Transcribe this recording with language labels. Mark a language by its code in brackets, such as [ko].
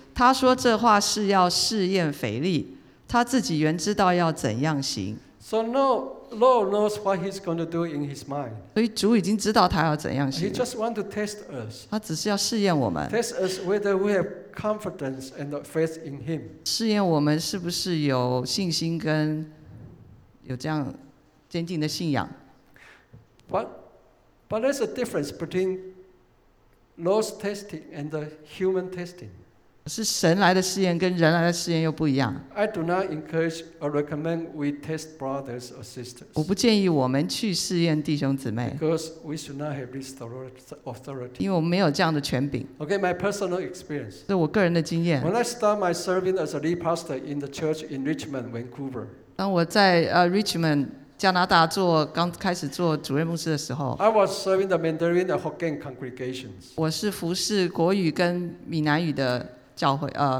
[zh] 他说这话是要试验腓力，他自己原知道要怎样行。 [en] So now Lord knows what he's going to do in his mind. [zh] 所以主已经知道他要怎样行 [en] 了。He just want to test us. [zh] 他只是要试验我们。 [en] Test us whether we have confidence and faith in him. [zh] 试验我们是不是有信心跟有这样坚定的信仰。 [en] But there's a difference between Lord's testing and the human testing. [zh] 是神来的试验跟人来的试验又不一样。 [en] I do not encourage or recommend we test brothers or sisters. [zh] 我不建议我们去试验弟兄姊妹。 [en] Because we should not have this authority. [zh] 因为我们没有这样的权柄。 [en] Okay, my personal experience. [zh] 是我个人的经验。 [en] When I start my serving as a lead pastor in the church in Richmond, Vancouver. [zh] 当我在Richmond。加拿大做刚开始做主任牧师的时候 [en] ，I was serving the Mandarin and Hokkien congregations. [zh] 我是服侍国语跟闽南语的教会，